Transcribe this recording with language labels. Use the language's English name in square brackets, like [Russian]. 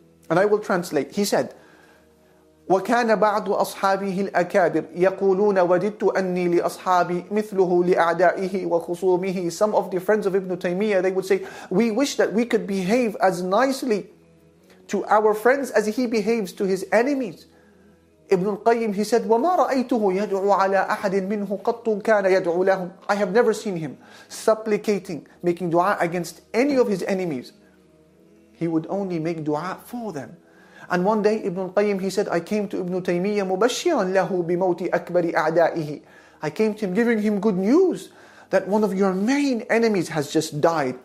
[English] And I will translate. He said, [Arabic] وَكَانَ بَعْضُ أَصْحَابِهِ الْأَكَابِرِ يَقُولُونَ وَدِدْتُ أَنِّي لِأَصْحَابِ مِثْلُهُ لِأَعْدَائِهِ وَخُصُومِهِ. [English] Some of the friends of Ibn Taymiyyah, they would say, "We wish that we could behave as nicely to our friends as he behaves to his enemies." [Arabic] Ibn al-Qayyim, [English] he said, [Arabic] "وَمَا رَأَيْتُهُ يَدْعُ عَلَىٰ أَحَدٍ مِّنْهُ قَطٌ كَانَ يَدْعُ لَهُمْ." [English] I have never seen him supplicating, making dua against any of his enemies. He would only make dua for them. And one day Ibn al-Qayyim, he said, "I came to Ibn Taymiyyah [Arabic] مُبَشِّرًا لَهُ بِمَوْتِ أَكْبَرِ أَعْدَائِهِ." [English] I came to him giving him good news that one of your main enemies has just died.